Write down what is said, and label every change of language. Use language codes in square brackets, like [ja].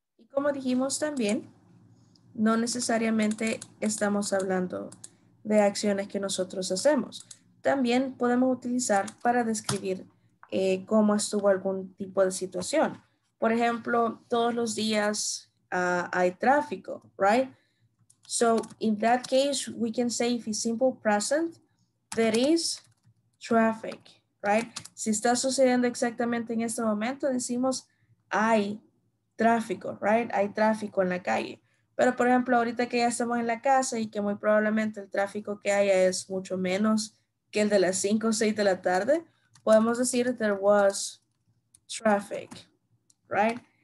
[es] Como dijimos también, no necesariamente estamos hablando de acciones que nosotros hacemos. También podemos utilizar para describir cómo estuvo algún tipo de situación. Por ejemplo, todos los días hay tráfico, right? [en] So, in that case, we can say if it's simple present, there is traffic, right? [es] Si está sucediendo exactamente en este momento, decimos hay tráfico, right? Hay tráfico en la calle. Pero, por ejemplo, ahorita que ya estamos en la casa y que muy probablemente el tráfico que haya es mucho menos que el de las 5 o 6 de la tarde, podemos decir [en] there was traffic, right?